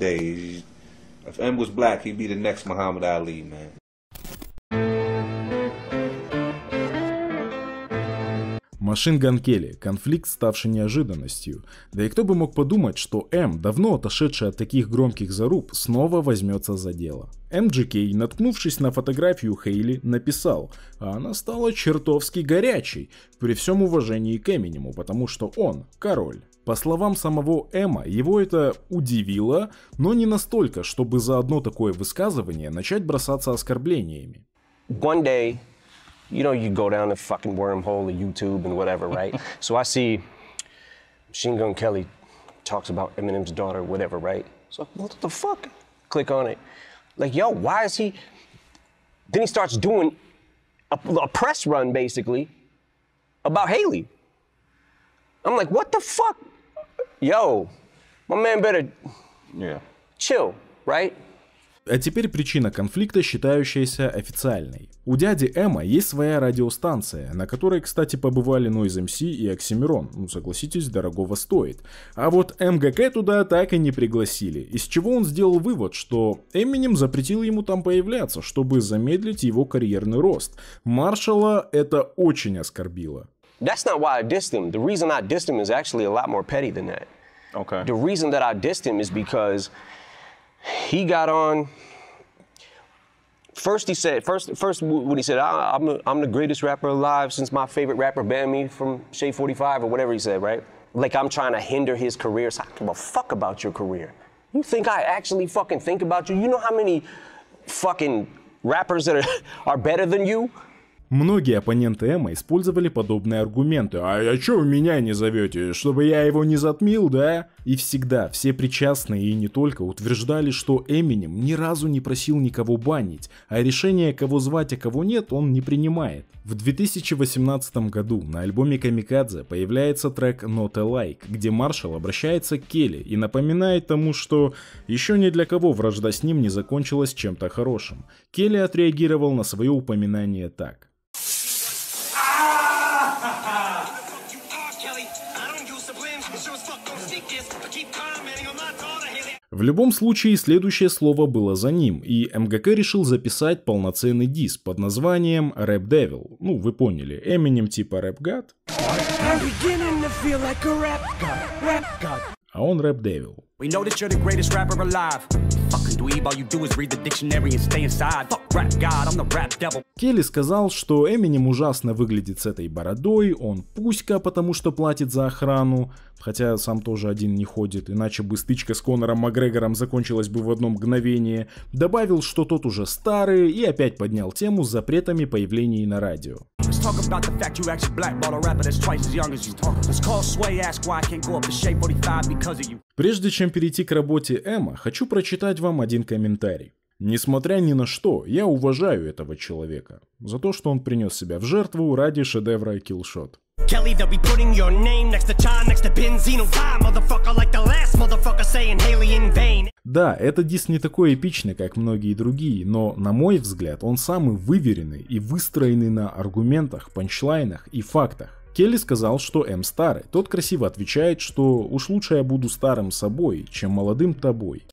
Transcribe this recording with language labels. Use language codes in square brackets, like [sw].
[en] Regardless, respect real artists, man. You know what I mean? Regardless, you can't take nothing away from his thoughts and his pen. Okay. You know what I mean? And I, yo, M is nasty, man. I tell people to this day, if M was black, he'd be the next Muhammad Ali, man. [ru] Machine Gun Kelly, конфликт, ставший неожиданностью. Да и кто бы мог подумать, что М, давно отошедший от таких громких заруб, снова возьмется за дело. MGK, наткнувшись на фотографию Хейли, написал, а она стала чертовски горячей, при всем уважении к Эминему, потому что он король. По словам самого Эма, его это удивило, но не настолько, чтобы за одно такое высказывание начать бросаться оскорблениями. [en] One day, you know, you go down the fucking wormhole of YouTube and whatever, right? So I see Machine Gun Kelly talks about Eminem's daughter, whatever, right? So what the fuck? Click on it. Like, yo, why is he... Then he starts doing a press run, basically, about Haley. I'm like, what the fuck? Yo, my man better chill, right? [ru] А теперь причина конфликта, считающаяся официальной. У дяди Эма есть своя радиостанция, на которой, кстати, побывали Noize MC и Оксимирон. Ну, согласитесь, дорогого стоит. А вот МГК туда так и не пригласили, из чего он сделал вывод, что Эминем запретил ему там появляться, чтобы замедлить его карьерный рост. Маршала это очень оскорбило. [en] That's not why I dissed him. The reason I dissed him is actually a lot more petty than that. Okay. The reason that I dissed him is because he got on. First when he said, I'm the greatest rapper alive since my favorite rapper banned me from Shade 45 or whatever he said, right? Like I'm trying to hinder his career. So I don't give a fuck about your career. You think I actually fucking think about you? You know how many fucking rappers that are better than you? [ru] Многие оппоненты Эма использовали подобные аргументы. «А чё вы меня не зовёте? Чтобы я его не затмил, да?» И всегда все причастные и не только утверждали, что Эминем ни разу не просил никого банить, а решение, кого звать, а кого нет, он не принимает. В 2018 году на альбоме «Камикадзе» появляется трек «Not a Like», где Маршал обращается к Келли и напоминает тому, что еще ни для кого вражда с ним не закончилась чем-то хорошим. Келли отреагировал на свое упоминание так. В любом случае, следующее слово было за ним, и МГК решил записать полноценный диск под названием Rap Devil. Ну, вы поняли, Eminem типа Rap God. А он Rap Devil. [en] We know that you're the greatest rapper alive. Fucking dweeb, all you do is read the dictionary and stay inside. Fuck rap god, I'm the rap devil. [ru] Келли сказал, что Эминем ужасно выглядит с этой бородой, он пуська, потому что платит за охрану, хотя сам тоже один не ходит, иначе бы стычка с Конором Макгрегором закончилась бы в одно мгновение. Добавил, что тот уже старый, и опять поднял тему с запретами появлений на радио. [en] Talk about the fact you actually blackball a rapper that's twice as young as you talk. Let's call Sway, ask why I can't go up to Shade 45 because of you. [ru] Прежде чем перейти к работе Эма, хочу прочитать вам один комментарий. Несмотря ни на что, я уважаю этого человека за то, что он принес себя в жертву ради шедевра Killshot. [en] Kelly, they'll be putting your name next to time, next to Benzino. Why, motherfucker, like the last motherfucker saying Haley in vain. [ru] Да, этот диск не такой эпичный, как многие другие, но, на мой взгляд, он самый выверенный и выстроенный на аргументах, панчлайнах и фактах. Келли сказал, что М старый. Тот красиво отвечает, что уж лучше я буду старым собой, чем молодым тобой.